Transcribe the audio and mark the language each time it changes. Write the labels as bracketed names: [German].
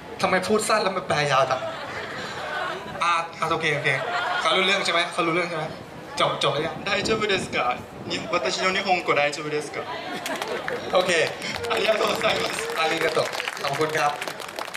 [Thai] ทำไมพูดสั้นแล้วมันแปลยาวจังโอเคเขารู้เรื่องใช่ไหมเขารู้เรื่องใช่ไหมจบแล้วยัง ได้ชอบ [Japanese] ですか私の日本語大丈夫ですか [Thai] โอเค [Japanese] ありがとうございますありがとう [Thai] ขอบคุณครับ